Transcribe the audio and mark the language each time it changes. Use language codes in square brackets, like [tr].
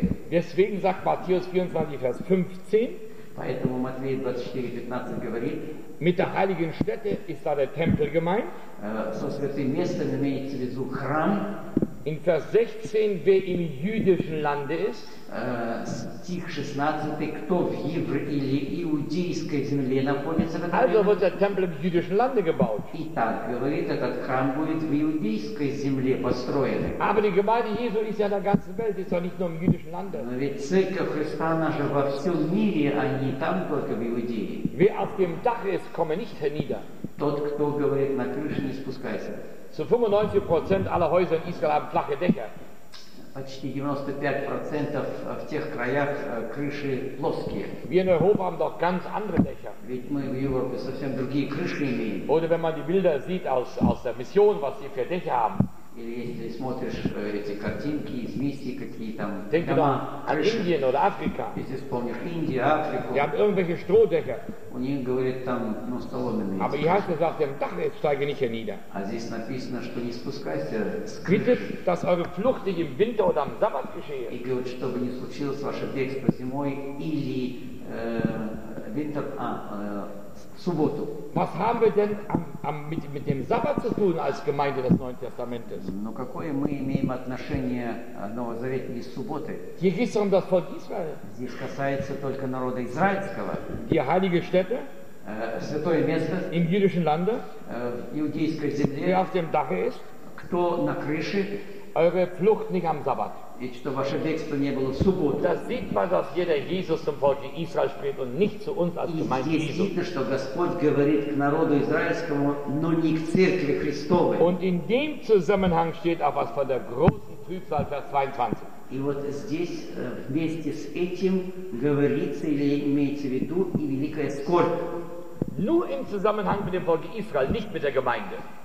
[de] Deswegen sagt Matthäus 24, Vers 15, [ru] поэтому Матфея 24:15 говорит: [de] mit der heiligen Stätte ist da der Tempel gemeint. [ru] Со святым местом имеется в виду храм. [de] In Vers 16, wer im jüdischen Lande ist. [ru] Стих 16, кто в иудейской земле находится. [de] Also wird der Tempel im jüdischen Lande gebaut. [ru] Итак, говорит, этот храм будет в иудейской земле построен. [de] Aber die Gemeinde Jesu ist ja in der ganzen Welt, ist doch nicht nur im jüdischen Lande. [ru] Но ведь церковь Христа наша во всем мире, а не там только в Иудее. [de] Wer auf dem Dach ist, komme nicht hernieder. [ru] Тот, кто говорит на крыше, не спускайся. [de] Zu 95% aller Häuser in Israel haben flache Dächer. [ru] Почти 95% в тех краях крыши плоские. [de] Wir in Europa haben doch ganz andere Dächer. [ru] Ведь мы в Европе совсем другие крыши имеем. [de] Oder wenn man die Bilder sieht aus der Mission, was sie für Dächer haben. [ru] Или если смотришь эти картинки из миссии, какие там [de] Denk [ru] дома, [de] an [ru] крыши. [de] Indien oder Afrika. [ru] Если вспомнишь Индию, Африку. [de] Die haben irgendwelche Strohdächer. [ru] У них, говорит, там, ну, соломенные. [de] Aber hier heißt es auf dem Dach, jetzt steige nicht hernieder. [ru] А здесь написано, что не спускайся с крыши. [de] Bitte, dass eure Flucht nicht im Winter oder am Sabbat geschehe. [ru] И говорит, чтобы не случилось ваше бегство зимой или winter, субботу. [de] Was haben wir denn mit dem Sabbat zu tun als Gemeinde des Neuen Testamentes? [ru] Но какое мы имеем отношение новозаветной субботы? [de] Hier geht es um das Volk Israel. [ru] Здесь касается только народа израильского. [de] Die heilige Stätte. [ru] Святое место. [de] Im jüdischen Lande. [ru] В иудейской земле. [de] Wer auf dem Dache ist. [ru] Кто на крыше. [de] Eure Flucht nicht am Sabbat. [ru] И что ваше бегство не было в субботу. [de] Das sieht man, dass jeder Jesus zum Volk Israel spricht und nicht zu uns als Gemeinde Jesu. [ru] И здесь видно, что Господь говорит к народу израильскому, но не к церкви Христовой. [de] Und in dem Zusammenhang steht auch was von der großen Trübsal, Vers 22. [ru] И вот здесь вместе с этим говорится или имеется в виду и великая скорбь. [de] Nur im Zusammenhang mit dem Volk Israel, nicht mit der Gemeinde.